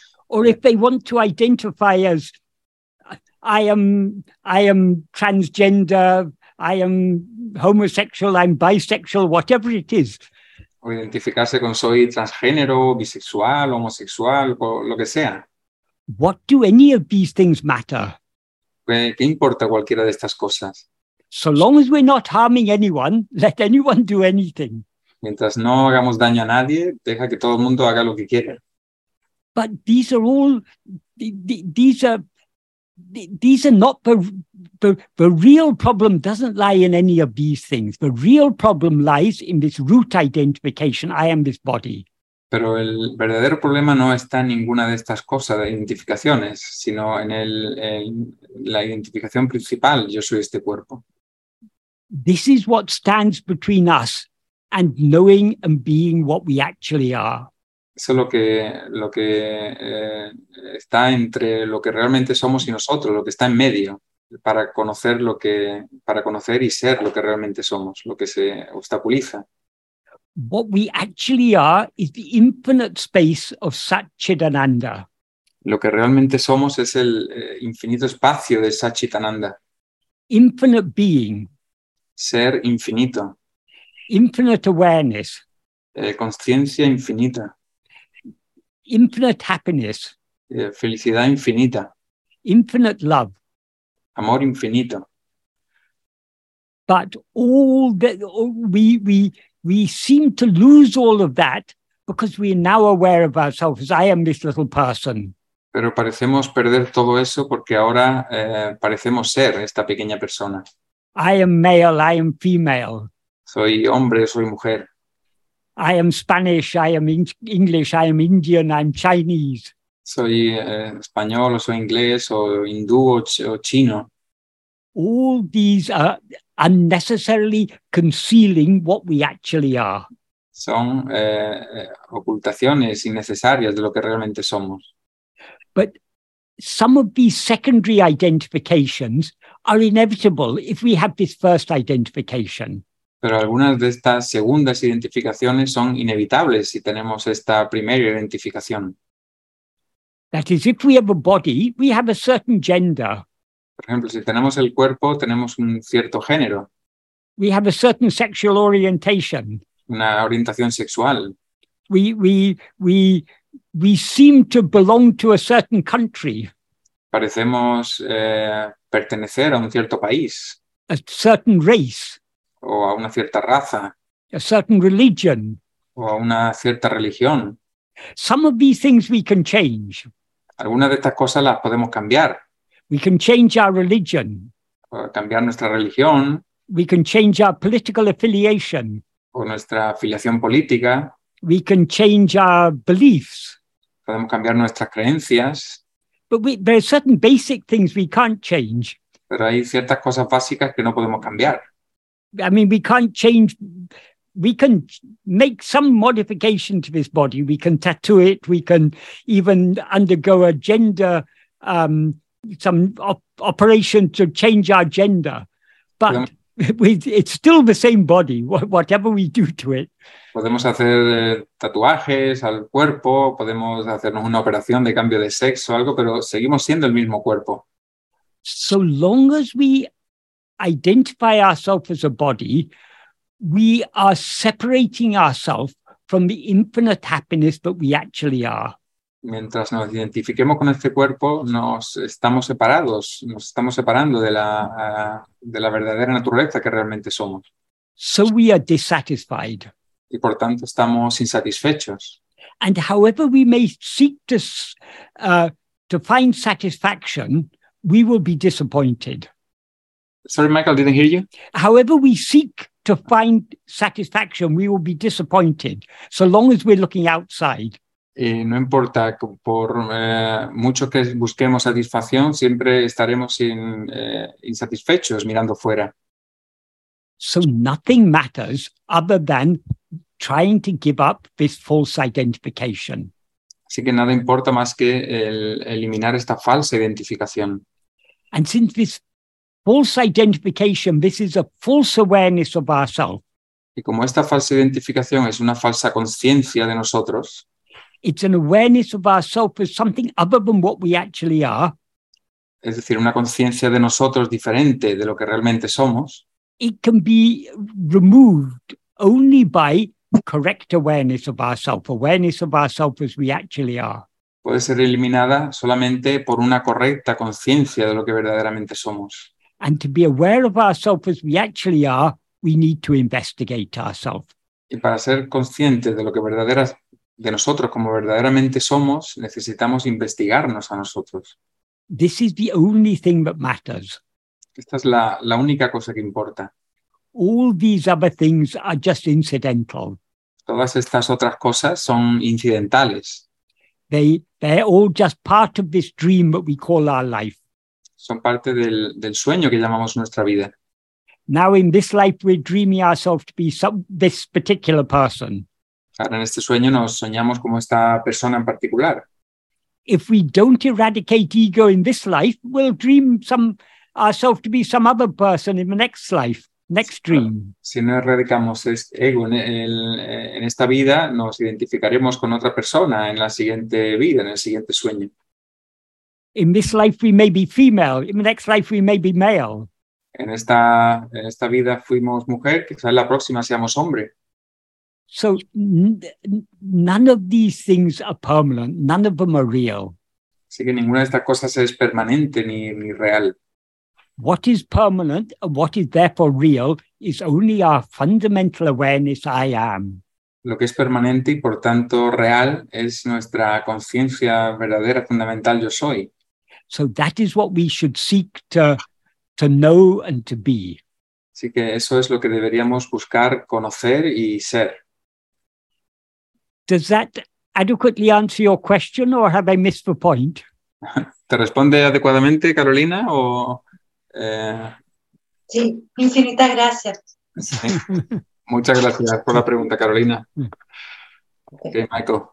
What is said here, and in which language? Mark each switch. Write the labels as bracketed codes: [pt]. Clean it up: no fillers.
[en] Or if they want to identify as I am transgender, I am homosexual, I'm bisexual, whatever it is. [es] O identificarse con soy transgénero, bisexual, homosexual, lo que sea. [en] What do any of these things matter? [es] ¿Qué importa cualquiera de estas cosas? [en] So long as we're not harming anyone, let anyone do anything. [es] Mientras no hagamos daño a nadie, deja que todo el mundo haga lo que quiera. [en] But these are not the real problem doesn't lie in any of these things. The real problem lies in this root identification, I am this body. [es] Pero el verdadero problema no está en ninguna de estas cosas de identificaciones, sino en la identificación principal, yo soy este cuerpo. [en] This is what stands between us and knowing and being what we actually are. [es] Eso es lo que está entre lo que realmente somos y nosotros, lo que está en medio, para conocer y ser lo que realmente somos, lo que se obstaculiza. [en] What we actually are is the infinite space of Satchitananda. [es] Lo que realmente somos es el infinito espacio de Satchitananda. [en] Infinite being. [es] Ser infinito. [en] Infinite awareness. [es] Conciencia infinita. [en] Infinite happiness. [es] Felicidad infinita. [en] Infinite love. [es] Amor infinito. [en] But all that we seem to lose all of that because we are now aware of ourselves as I am this little person. [es] Pero parecemos perder todo eso porque ahora parecemos ser esta pequeña persona. [en] I am male, I am female. [es] Soy hombre, soy mujer. [en] I am Spanish, I am English, I am Indian, I'm Chinese. [es] Soy español, o soy inglés, o hindú, o chino. [en] All these are unnecessarily concealing what we actually are. [es] Son ocultaciones innecesarias de lo que realmente somos. [en] But some of these secondary identifications are inevitable if we have this first identification. [es] Pero algunas de estas segundas identificaciones son inevitables si tenemos esta primera identificación. [en] That is, if we have a body, we have a certain gender. [es] Por ejemplo, si tenemos el cuerpo, tenemos un cierto género. [en] We have a certain sexual orientation. [es] Una orientación sexual. [en] We seem to belong to a certain country. [es] Parecemos pertenecer a un cierto país. [en] A certain race. [es] O a una cierta raza. [en] A certain religion. [es] O a una cierta religión. [en] Some of these things we can change. [es] Algunas de estas cosas las podemos cambiar. [en] We can change our religion. [es] O cambiar nuestra religión. [en] We can change our political affiliation. [es] O nuestra afiliación política. [en] We can change our beliefs. [es] Podemos cambiar nuestras creencias. [en] But there are certain basic things we can't change. [es] Pero hay ciertas cosas básicas que no podemos cambiar. [en] I mean, we can't change we can make some modification to this body. We can tattoo it. We can even undergo a gender, some operation to change our gender. But it's still the same body, whatever we do to it. [es] Podemos hacer tatuajes al cuerpo, podemos hacernos una operación de cambio de sexo, algo, pero seguimos siendo el mismo cuerpo. [en] So long as we identify ourselves as a body, we are separating ourselves from the infinite happiness that we actually are. [es] Mientras nos identifiquemos con este cuerpo, nos estamos separados, nos estamos separando de la verdadera naturaleza que realmente somos. [en] So we are dissatisfied. [es] Y por tanto estamos insatisfechos. [en] And however we may seek to find satisfaction, we will be disappointed. Sorry, Michael, didn't hear you. However we seek to find satisfaction, we will be disappointed, so long as we're looking outside. [es] Y no importa por mucho que busquemos satisfacción, siempre estaremos insatisfechos mirando fuera. [en] So nothing matters other than trying to give up this false identification. [es] Así que nada importa más que eliminar esta falsa identificación. [en] And since this false identification, this is a false awareness of ourselves. [es] Y como esta falsa identificación es una falsa conciencia de nosotros. [en] It's an awareness of ourselves as something other than what we actually are. [es] Es decir, una conciencia de nosotros diferente de lo que realmente somos. [en] It can be removed only by correct awareness of ourselves, awareness of ourselves as we actually are. [es] Puede ser eliminada solamente por una correcta conciencia de lo que verdaderamente somos. [en] And to be aware of ourselves as we actually are, we need to investigate ourselves. [es] Y para ser conscientes de lo que de nosotros como verdaderamente somos, necesitamos investigarnos a nosotros. [en] This is the only thing that matters. [es] Esta es la única cosa que importa. [en] All these other things are just incidental. [es] Todas estas otras cosas son incidentales. [en] They're all just part of this dream that we call our life. [es] Son parte del sueño que llamamos nuestra vida. [en] Now in this life we're dreaming ourselves to be this particular person. [es] Ahora en este sueño nos soñamos como esta persona en particular. [en] If we don't eradicate ego in this life, we'll dream ourselves to be some other person in the next life. Next dream. [es] Si no erradicamos ego en esta vida, nos identificaremos con otra persona en la siguiente vida, en el siguiente sueño. [en] In this life we may be female, in the next life we may be male. [es] En esta vida fuimos mujer, quizás en la próxima seamos hombre. [en] So none of these things are permanent, none of them are real. [es] Así que ninguna de estas cosas es permanente ni real. [en] What is permanent and what is therefore real is only our fundamental awareness, I am. [es] Lo que es permanente y por tanto real es nuestra conciencia verdadera, fundamental, yo soy. [en] So that is what we should seek to know and to be. [es] Así que eso es lo que deberíamos buscar, conocer y ser. [en] Does that adequately answer your question or have I missed the point? [es] ¿Te responde adecuadamente, Carolina, o...? Sí, infinitas gracias. Sí. Muchas gracias por la pregunta, Carolina. Okay, Michael.